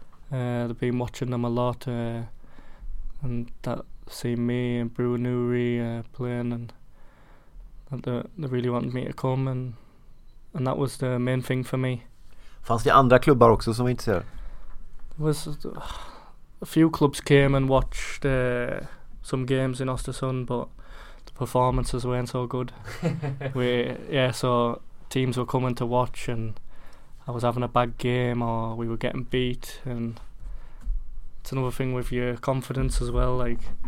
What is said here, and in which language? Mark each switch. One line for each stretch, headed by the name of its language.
English: They've been watching them a lot, and that seeing me and Bruno Nuri playing, and they really wanted me to come, and that was the main thing for me.
Swedish: Fanns det andra klubbar också som var intresserade?
English: There was a few clubs came and watched some games in Östersund, but the performances weren't so good. So teams were coming to watch, and I was having a bad game, or we were getting beat, and it's another thing with your confidence as well, like.